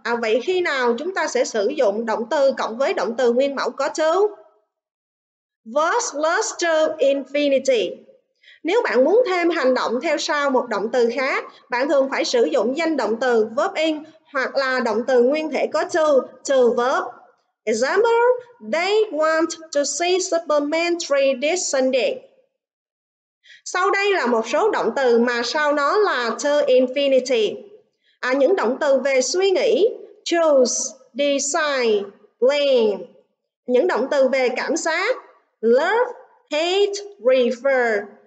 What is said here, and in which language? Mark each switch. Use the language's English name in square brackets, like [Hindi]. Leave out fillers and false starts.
[Vietnamese] Vậy khi nào chúng ta sẽ sử dụng động từ cộng với động từ nguyên mẫu có to? [English] Verb plus to infinity. [Vietnamese] Nếu bạn muốn thêm hành động theo sau một động từ khác, bạn thường phải sử dụng danh động từ verb in hoặc là động từ nguyên thể có to verb. [English] Example, they want to see Superman 3 this Sunday. [Vietnamese] Sau đây là một số động từ mà sau nó là to infinity. Những động từ về suy nghĩ, [English] choose, decide, plan. [Vietnamese] Những động từ về cảm giác, [English] love, hate, refer.